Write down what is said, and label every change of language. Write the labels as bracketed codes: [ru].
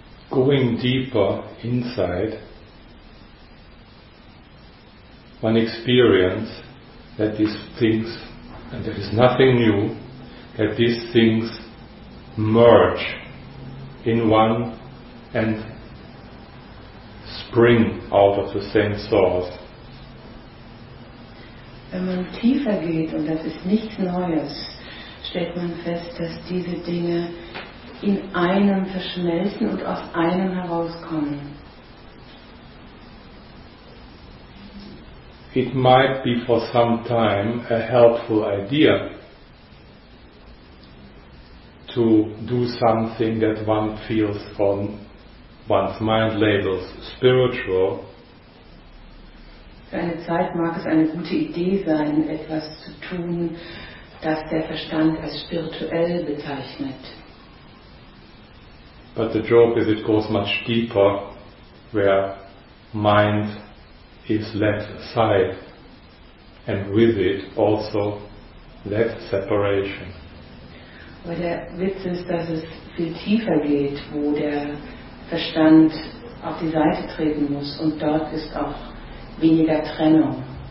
[en] Going deeper inside, one experiences that these things, and there is nothing new, that these things merge in one and spring out of the same source. [de] Wenn man tiefer geht, und das ist nichts Neues, stellt man fest, dass diese Dinge in einem verschmelzen und aus einem herauskommen. [en] It might be for some time a helpful idea to do something that one feels on one's mind labels spiritual. [de] Für eine Zeit mag es eine gute Idee sein, etwas zu tun, das der Verstand als spirituell bezeichnet. [en] But the joke is it goes much deeper where mind is left aside and with it also left separation. [de] Aber der Witz ist, dass es viel tiefer geht, wo der Verstand auf die Seite treten muss und dort ist auch weniger Trennung.